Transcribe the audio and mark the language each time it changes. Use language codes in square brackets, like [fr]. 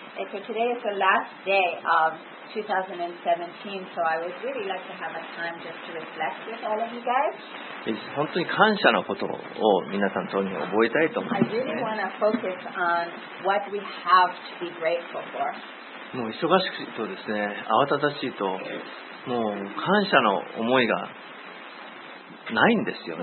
[en] Okay, today is the last day of 2017, so I would really like to have a time just to reflect with all of you guys. [ja] 本当に感謝のことを皆さんとに覚えたいと思います、ね。 [en] I really want to focus on what we have to be grateful for. [ja] もう忙しくとですね、慌ただしいと、もう感謝の思いがないんですよね。